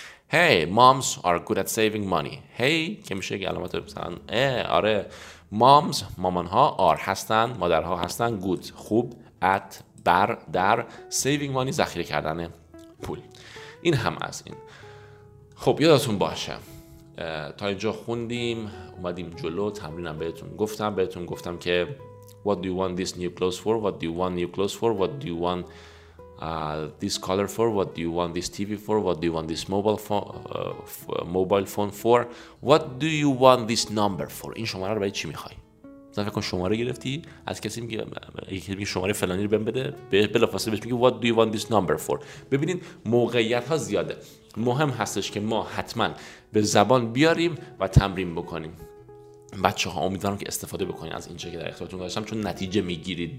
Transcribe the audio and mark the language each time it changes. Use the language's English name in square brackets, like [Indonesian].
[English] Hey moms are good at saving money. [Persian] Hey که میشه یک علامت مثلا آره moms مامانها are هستن، مادرها هستن good خوب at بر در saving money ذخیره کردن پول. این هم از این. خب یادتون باشه تا اینجا خوندیم اومدیم جلو، تمرینم بهتون گفتم که [English] what do you want these new clothes for, what do you want new clothes for, what do you want this color for, what do you want this TV for, what do you want this mobile phone for, what do you want this number for. [Persian] این شماره رو برای چی میخوای؟ مثلا فکر کن شماره گرفتی از کسی، میگه شماره فلانی رو بهم بده، بلافاصله بهش میگه [English] what do you want this number for. [Persian] ببینید موقعیت ها زیاده، مهم هستش که ما حتما به زبان بیاریم و تمرین بکنیم. بچه ها امیدوارم که استفاده بکنید از این چه که در اختیارتون گذاشتم، چون نتیجه میگیرید.